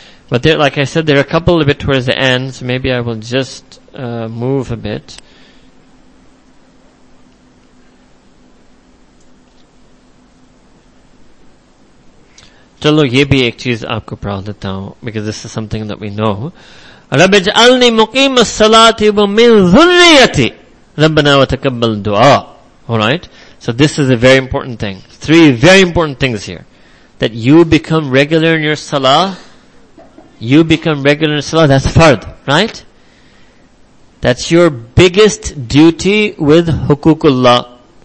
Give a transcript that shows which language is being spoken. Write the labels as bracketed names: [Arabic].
[English] But there, like I said, there are a couple a bit towards the end, so maybe I will just move a bit. [Urdu] Chalo, ye bhi ek cheez aapko padha deta hu, [English] because this is something that we know. [Arabic] رب اجعلني مقيم الصلاة ومن ذريتي ربنا وتقبل دعاء. [English] Alright? So this is a very important thing. Three very important things here. That you become regular in your salah. You become regular in salah, that's fard, right? That's your biggest duty with hukukullah.